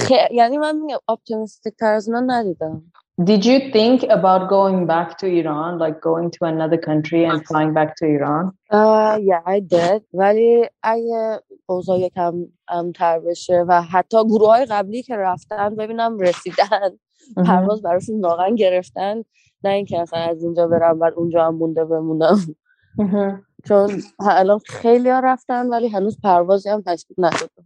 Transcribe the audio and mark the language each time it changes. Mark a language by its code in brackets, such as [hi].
[fa] یعنی من optimistic تر از اونا ندیدم. [en] Did you think about going back to Iran, like going to another country and flying back to Iran? Yeah, I did. [fa] ولی اگه اوضاع یکم امن‌تر بشه و حتی گروه‌های قبلی که رفتن ببینم رسیدن، پرواز براشون واقعاً گرفتن، نه اینکه مثلا از اینجا برم و اونجا هم مونده بمونم. چون الان خیلی‌ها رفتن ولی هنوز پروازی هم تشکیل نشده.